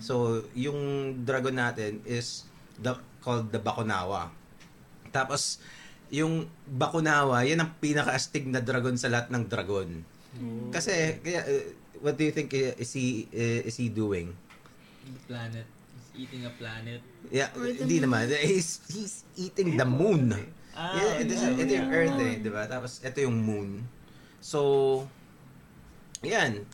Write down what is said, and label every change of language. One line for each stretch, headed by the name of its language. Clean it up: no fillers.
English: So, yung dragon natin is called the Bakunawa.
Filipino: Tapos, yung Bakunawa, yan ang pinaka-astig na dragon sa lahat ng dragon. Mm-hmm. Kasi, kaya...
English: What do you think is he doing? The planet. He's eating a planet. Yeah,
Filipino: hindi naman.
English: He's eating the moon.
Filipino: Ito yung Earth eh, diba? Tapos ito yung moon. So, yan.